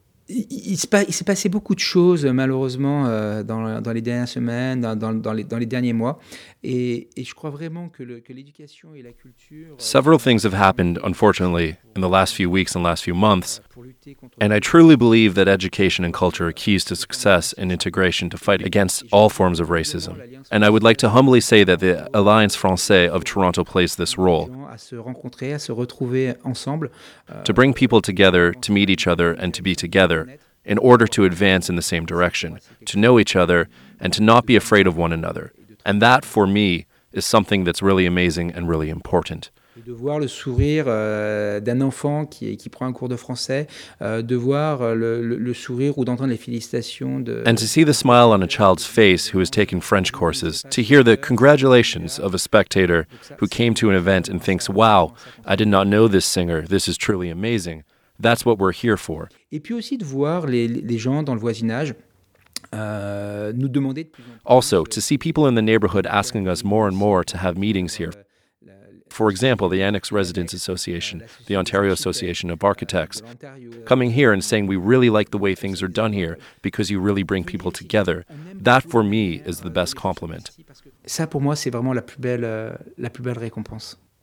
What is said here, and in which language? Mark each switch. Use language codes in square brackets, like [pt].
[fr] Il s'est passé beaucoup de choses, malheureusement, dans les dernières semaines, dans les derniers mois. Et je crois vraiment que l'éducation et la culture... [en] Several things have happened, unfortunately, in the last few weeks and last few months. And I truly believe that education and culture are keys to success and integration to fight against all forms of racism. And I would like to humbly say that the Alliance Française of Toronto plays this role. [fr] À se rencontrer, à se retrouver ensemble. [en] To bring people together, to meet each other, and to be together, in order to advance in the same direction, to know each other, and to not be afraid of one another. And that, for me, is something that's really amazing and really important. [fr] De voir le sourire d'un enfant qui prend un cours de français, de voir le sourire ou d'entendre les félicitations de... [en] And to see the smile on a child's face who has taken French courses, to hear the congratulations of a spectator who came to an event and thinks, wow, I did not know this singer, this is truly amazing. That's what we're here for. [fr] Et puis aussi de voir les gens dans le voisinage... nous demander de plus en plus... [en] Also, to see people in the neighborhood asking us more and more to have meetings here. For example, the Annex Residents Association, the Ontario Association of Architects, coming here and saying we really like the way things are done here because you really bring people together. That, for me, is the best compliment. [fr] Ça, pour moi, c'est vraiment la plus belle récompense.